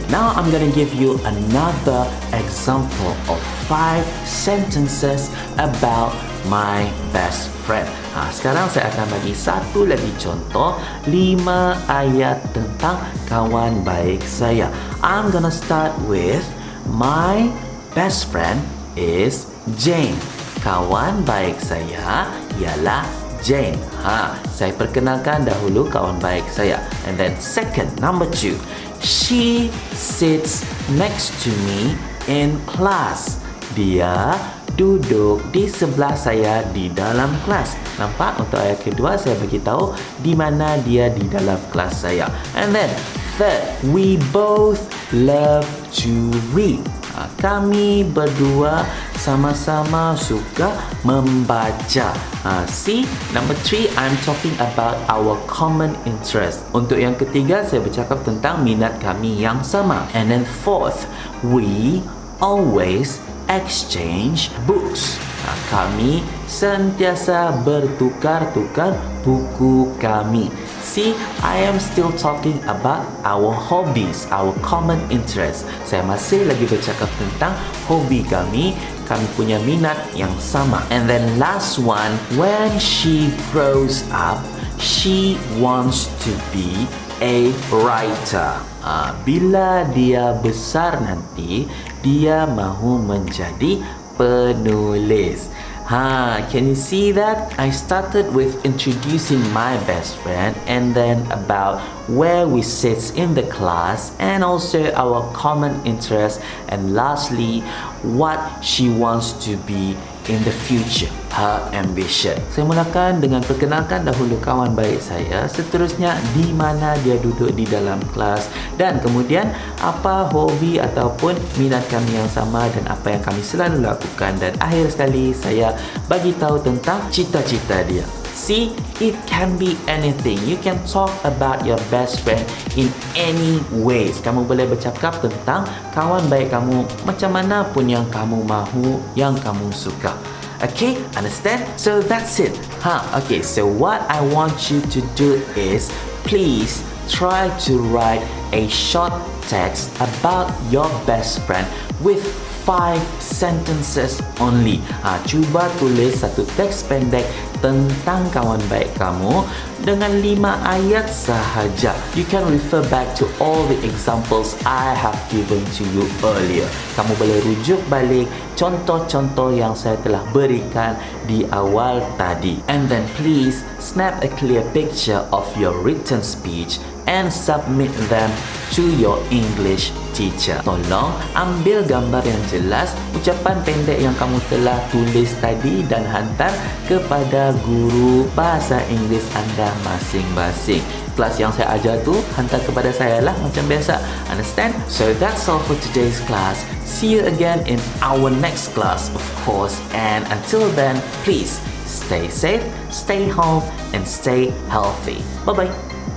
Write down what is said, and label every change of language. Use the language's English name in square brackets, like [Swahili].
[English] Now I'm gonna give you another example of 5 sentences about my best friend. [Malay] Sekarang saya akan bagi satu lagi contoh, 5 ayat tentang kawan baik saya. [English] I'm gonna start with, my best friend is Jane. [Malay] Kawan baik saya ialah Jane. Saya perkenalkan dahulu kawan baik saya. [English] And then second, number 2. She sits next to me in class. [Malay] Dia duduk di sebelah saya di dalam kelas. Nampak? Untuk ayat kedua, saya beritahu di mana dia di dalam kelas saya. [English] And then third, we both love to read. [Malay] Kami berdua sama-sama suka membaca. [English] See, number 3, I'm talking about our common interest. [Malay] Untuk yang ketiga, saya bercakap tentang minat kami yang sama. [English] And then fourth, we always exchange books. [Malay] Kami sentiasa bertukar-tukar buku kami. [English] See, I am still talking about our hobbies, our common interests. [Malay] Saya masih lagi bercakap tentang hobi kami. Kami punya minat yang sama. [English] And then last one, when she grows up, she wants to be a writer. [Malay] Bila dia besar nanti, dia mahu menjadi penulis. [English] Can you see that? I started with introducing my best friend and then about where we sit in the class and also our common interests and lastly, what she wants to be in the future. Her ambition. [Malay] Saya mulakan dengan perkenalkan dahulu kawan baik saya. Seterusnya, di mana dia duduk di dalam kelas. Dan kemudian, apa hobi ataupun minat kami yang sama dan apa yang kami selalu lakukan. Dan akhir sekali, saya bagi tahu tentang cita-cita dia. [English] See, it can be anything. You can talk about your best friend in any ways. [Malay] Kamu boleh bercakap tentang kawan baik kamu macam mana pun yang kamu mahu, yang kamu suka. [English] Okay, understand? So that's it. Huh? Okay, so what I want you to do is please try to write a short text about your best friend with 5 sentences only. [Malay] Cuba tulis satu teks pendek tentang kawan baik kamu dengan 5 ayat sahaja. [English] You can refer back to all the examples I have given to you earlier. [Malay] Kamu boleh rujuk balik contoh-contoh yang saya telah berikan di awal tadi. [English] And then please snap a clear picture of your written speech and submit them to your English teacher. [Malay] Tolong ambil gambar yang jelas, ucapan pendek yang kamu telah tulis tadi dan hantar kepada guru bahasa Inggeris anda masing-masing. Kelas yang saya ajar tu, hantar kepada saya lah macam biasa. [English] Understand? So that's all for today's class. See you again in our next class, of course. And until then, please stay safe, stay home, and stay healthy. Bye-bye.